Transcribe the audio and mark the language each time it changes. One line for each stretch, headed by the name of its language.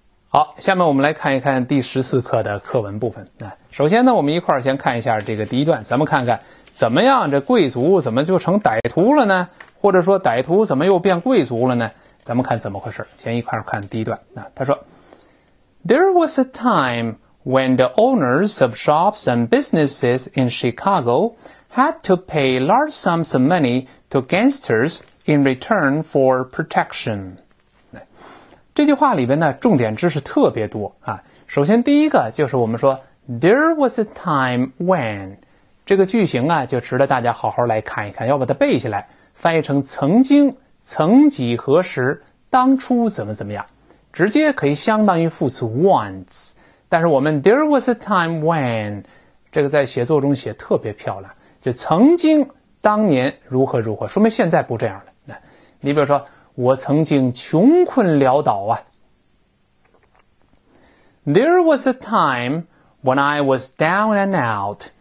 Chinese: 好，下面我们来看一看第14课的课文部分。首先呢，我们一块儿先看一下这个第一段，咱们看看怎么样，这贵族怎么就成歹徒了呢？或者说歹徒怎么又变贵族了呢？咱们看怎么回事，先一块儿看第一段。他说
English: There was a time when the owners of shops and businesses in Chicago had to pay large sums of money to gangsters in return for protection.
Chinese: 这句话里边呢，重点知识特别多啊。首先第一个就是我们说
English: There was a time when
Chinese: 这个句型啊，就值得大家好好来看一看，要把它背下来，翻译成曾经、曾几何时、当初怎么怎么样，直接可以相当于副词 once。但是我们
English: There was a time when
Chinese: 这个在写作中写特别漂亮，就曾经当年如何如何，说明现在不这样了。你比如说我曾经穷困潦倒啊。
English: There was a time when I was down and out.